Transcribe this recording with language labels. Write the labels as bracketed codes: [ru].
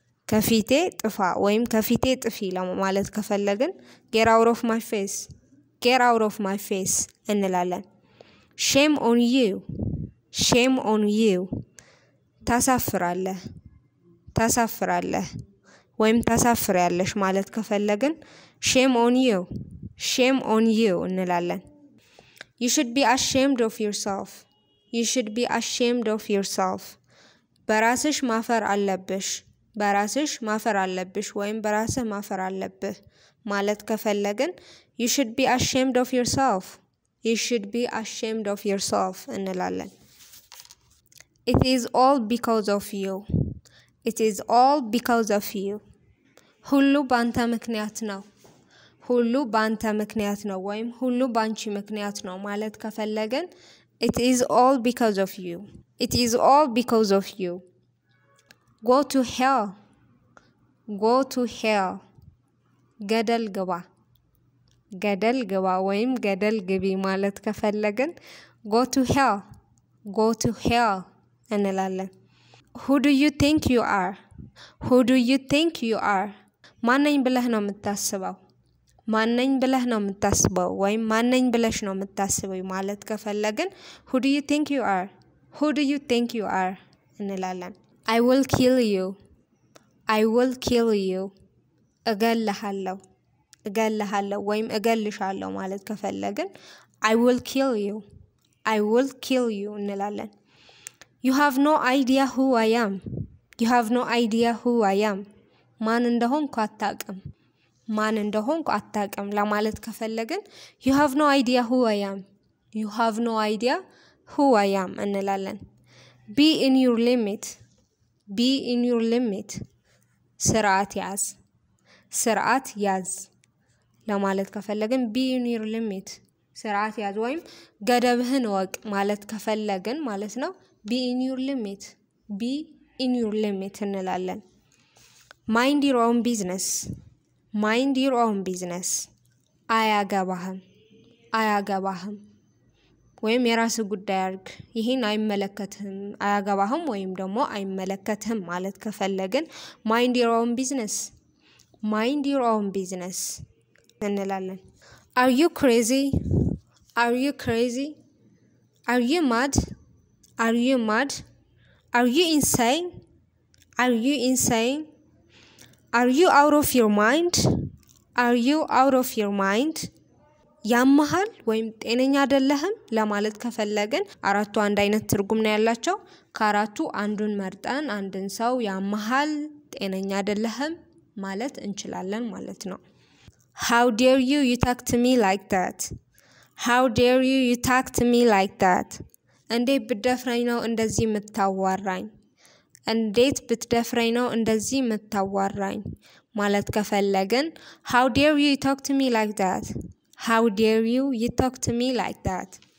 [am] ከፊቴ ጥፋ ወይም ከፊቴ ጥፊ ለማለት ከፈለግን [en] get out of my face. Get out of my face [am] እንላለን. [en] Shame on you. Shame on you. [am] ታሳፍራለህ. ታሳፍራለህ. ወይም ታሳፍራለሽ ማለት ከፈለግን [en] shame on you. Shame on you [am] እንላለን. [en] You should be ashamed of yourself. You should be ashamed of yourself. [am] በራስሽ ማፈር አለብሽ. በራስሽ ማፈር አለብሽ ወይም በራስህ ማፈር አለብህ ማለት ከፈለግን [en] you should be ashamed of yourself. You should be ashamed of yourself [am] እንላለን. [en] It is all because of you. It is all because of you. [am] ሁሉ ባንተ ምክንያት ነው. ሁሉ ባንተ ምክንያት ነው ወይም ሁሉ ባንቺ ምክንያት ነው ማለት ከፈለግን [en] it is all because of you. It is all because of you. Go to hell. Go to hell. [am] ገደል ግባ. ገደል ግባ ወይም ገደል ግቢ ማለት ከፈለግን [en] go to hell. Go to hell [am] እንላለን. [en] Who do you think you are? Who do you think you are? [am] ማነኝ ብለህ ነው የምታስበው? ማነኝ ብለህ ነው የምታስበው ወይም ማነኝ ብለሽ ነው የምታስበው ማለት ከፈለግን [en] who do you think you are? Who do you think you are? [am] እንላለን. [en] I will kill you. I will kill you. [am] እገልሃለሁ. እገልሃለሁ ወይም እገልሻለሁ ማለት ከፈለግን [en] I will kill you. I will kill you [am] እንላለን. [en] You have no idea who I am. You have no idea who I am. [am] ማን እንደሆንኩ አታውቅም. ማን እንደሆንኩ አታውቅም ለማለት ከፈለግን [en] You have no idea who I am. You have no idea who I am [am] እንላለን. [en] Be in your limit. Be in your limit. [am] ስርዓት ያዝ. ስርዓት ያዝ ለማለት ከፈለግን [en] be in your limit. [am] ስርዓት ያዝ ወይም ገደብህን ወቅ ማለት ከፈለግን ማለት ነው [en] be in your limit. Be in your limit [am] እንላለን. [en] Mind your own business. Mind your own business. [am] አያገባህም. አያገባህም ወይም የራስ ጉዳይ አርግ. ይሄን አይመለከተም. አያገባህም ወይም ደግሞ አይመለከተም ማለት ከፈለግን [en] mind your own business. Mind your own business [am] እንላለን. [en] Are you crazy? Are you crazy? Are you mad? Are you mad? Are you insane? Are you insane? Are you out of your mind? Are you out of your mind? [am] ያመሃል ወይም ጤነኛ አይደለህም ለማለት ከፈለግን አራቱ አንድ አይነት ትርጉም ነው ያላቸው. ከአራቱ አንዱን መርጠን አንድን ሰው ያመሃል ጤነኛ አይደለህም ማለት እንችላለን ማለት ነው. [en] How dare you you talk to me like that? How dare you you talk to me like that? [am] እንዴት ብትደፍረኝ ነው እንደዚህ የምታዋራኝ? እንዴት ብትደፍረኝ ነው እንደዚህ የምታዋራኝ ማለት ከፈለግን [en] How dare you talk to me like that? How dare you you talk to me like that?